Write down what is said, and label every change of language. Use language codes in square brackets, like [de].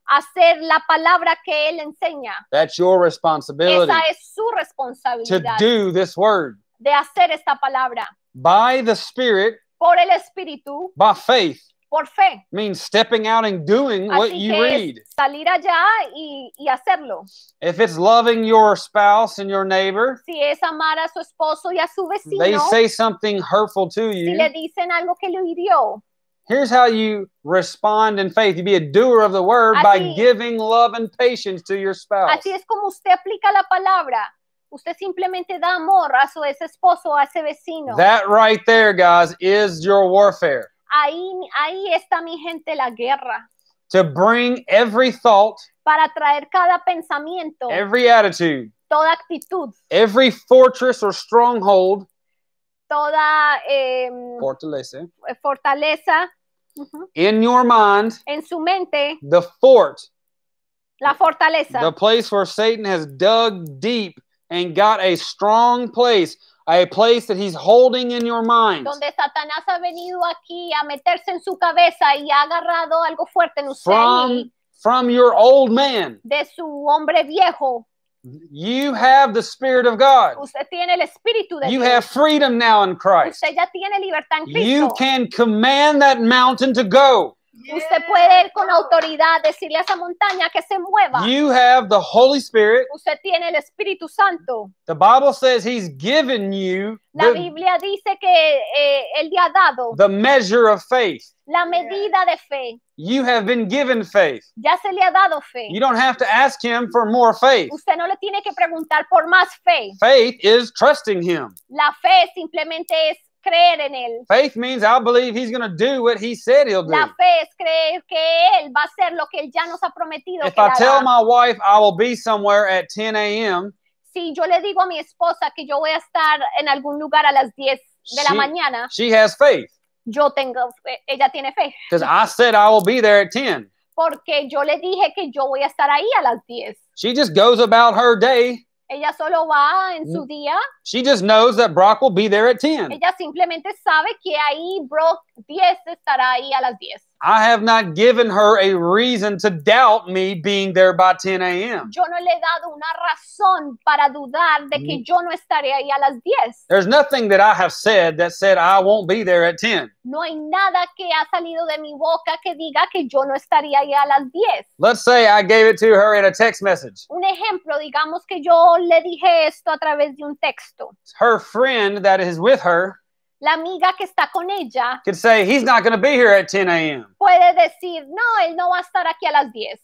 [es] Hacer la palabra que él enseña. [en] That's your responsibility. [es] Esa es su responsabilidad. [en] To do this word. [es] De hacer esta palabra. [en] By the Spirit. [es] Por el Espíritu. [en] By faith. [es] Por fe. [en] Means stepping out and doing [es] así [en] what you read. [es] Salir allá y hacerlo. [en] If it's loving your spouse and your neighbor, [es] si es amar a su esposo y a su vecino, [en] they say something hurtful to you, [es] si le dicen algo que lo hirió, [en] here's how you respond in faith. You be a doer of the word [es] así, [en] by giving love and patience to your spouse. [es] Así es como usted aplica la palabra. Usted simplemente da amor a su esposo o a ese vecino. [en] That right there, guys, is your warfare. [es] Ahí está mi gente la guerra. [en] To bring every thought, [es] para traer cada pensamiento, [en] every attitude, [es] toda actitud, [en] every fortress or stronghold, [es] toda fortaleza, uh-huh, [en] in your mind, [es] en su mente, [en] the fort, [es] la fortaleza, [en] the place where Satan has dug deep and got a strong place. A place that he's holding in your mind. [es] Donde Satanás ha venido aquí a meterse en su cabeza y ha agarrado algo fuerte en usted. [en] From your old man. [es] De su hombre viejo. [en] You have the Spirit of God. [es] Usted tiene el Espíritu de [en] you [es] Dios. [en] Have freedom now in Christ. [es] Usted ya tiene libertad en Cristo. [en] You can command that mountain to go. Yeah. [es] Usted puede ir con autoridad decirle a esa montaña que se mueva. [en] You have the Holy Spirit. [es] Usted tiene el Espíritu Santo. [en] The Bible says he's given you [es] la Biblia dice que él le ha dado [en] the measure of faith. [es] La medida de fe. [en] You have been given faith. [es] Ya se le ha dado fe. [en] You don't have to ask him for more faith. [es] Usted no le tiene que preguntar por más fe. [en] Faith is trusting him. [es] La fe simplemente es creer en él. [en] Faith means I believe he's going to do what he said he'll do. [es] La fe es creer que él va a hacer lo que él ya nos ha prometido. [en] If I tell my wife I will be somewhere at 10 a.m. [es] Si yo le digo a mi esposa que yo voy a estar en algún lugar a las 10 de la mañana. [en] She has faith. [es] Yo tengo, ella tiene fe. [en] Because I said I will be there at 10. [es] Porque yo le dije que yo voy a estar ahí a las 10. [en] She just goes about her day. [es] Ella solo va en su día. [en] She just knows that Brock will be there at 10. [es] Ella simplemente sabe que ahí Brock 10 estará ahí a las 10. [en] I have not given her a reason to doubt me being there by 10 a.m. [es] Yo no le he dado una razón para dudar de que yo no estaré ahí a las 10. [en] There's nothing that I have said that said I won't be there at 10. [es] No hay nada que ha salido de mi boca que diga que yo no estaría ahí a las 10. [en] Let's say I gave it to her in a text message. [es] Un ejemplo, digamos que yo le dije esto a través de un texto. [en] Her friend that is with her. [es] La amiga que está con ella [en] could say, he's not going to be here at 10 a.m. [es] Puede decir, no, él no va a estar aquí a las 10.